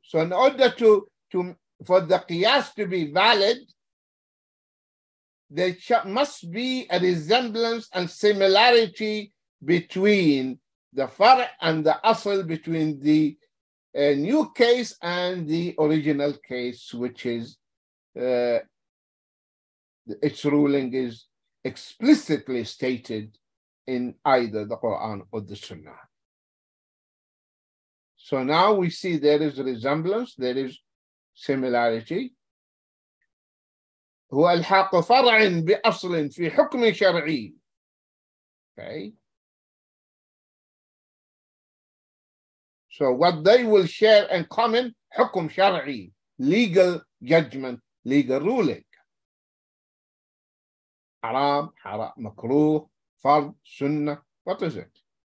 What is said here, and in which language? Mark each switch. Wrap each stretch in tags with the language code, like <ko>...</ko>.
<en>So in order to for the qiyas to be valid, there must be a resemblance and similarity between the far and the asl, between the new case and the original case, which is its ruling is explicitly stated in either the Quran or the Sunnah. So now we see there is resemblance, there is similarity.</en> <ar>هو الحق فرع بأصل في حكم شرعي.</ar> <en>Okay. So what they will share in common, حكم شرعي, legal judgment, legal ruling.</en> <ar>حرام, حرام, مكروه, فرض, سنة,</ar> <en>what is it?</en>